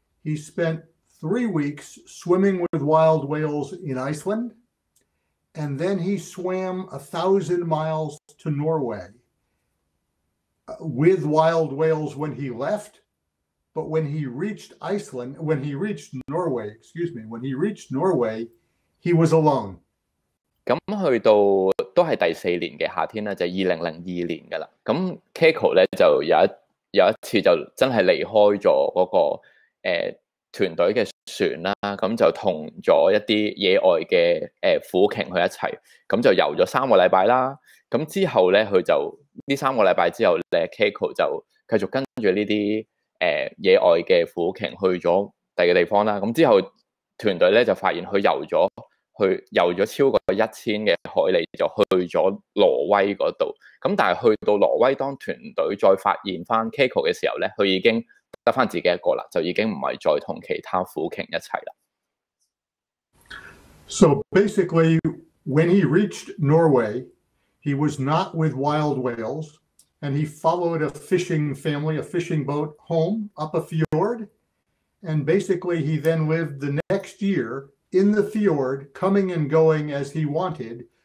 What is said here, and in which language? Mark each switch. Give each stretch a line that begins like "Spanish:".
English: He spent 3 weeks swimming with wild whales in Iceland, and then he swam 1,000 miles to Norway with wild whales when he left. But when he reached Iceland, when he reached Norway, excuse me, when he reached Norway, he was alone.
Cantonese: 咁去到都系第四年嘅夏天啦，就2002年噶啦。咁 Keiko 咧就有一次就真系离开咗嗰、那个团队嘅船啦，咁就同咗一啲野外嘅虎鲸去一齐，咁就游咗3个礼拜啦。咁之后咧，佢就呢3个礼拜之后咧 ，Keiko 就继续跟住呢啲野外嘅虎鲸去咗第二个地方啦。咁之后团队咧就发现佢游咗超过1000嘅海里，就去咗挪威嗰度。咁但系去到挪威，当团队再发现翻 Keiko 嘅时候咧，佢已经得翻自己一个啦，就已经唔系再同其他虎鲸一齐啦。
English: So basically, when he reached Norway, he was not with wild whales, and he followed a fishing family, a fishing boat home up a fjord. And basically, he then lived the next year in the fjord, coming and going as he wanted.